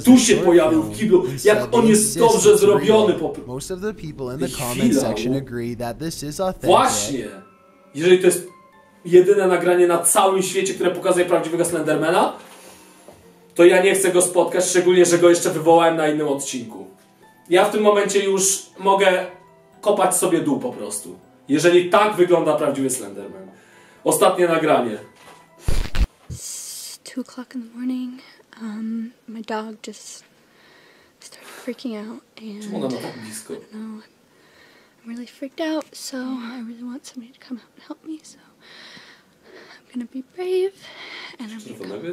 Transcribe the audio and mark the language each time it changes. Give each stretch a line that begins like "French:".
Polish: Tu się pojawił w kiblu. Jak on jest dobrze zrobiony.
English: Most of the people in the comment section agree that this is authentic.
Polish: Właśnie! Jeżeli to jest jedyne nagranie na całym świecie, które pokazuje prawdziwego Slendermana, to ja nie chcę go spotkać, szczególnie, że go jeszcze wywołałem na innym odcinku. Ja w tym momencie już mogę kopać sobie dół po prostu. Jeżeli tak wygląda prawdziwy Slenderman. Ostatnie nagranie.
English: 2 o'clock in the morning, my dog just started freaking out, and I'm really freaked out, so I really want somebody to come out and help me, so I'm gonna be brave, and I'm gonna go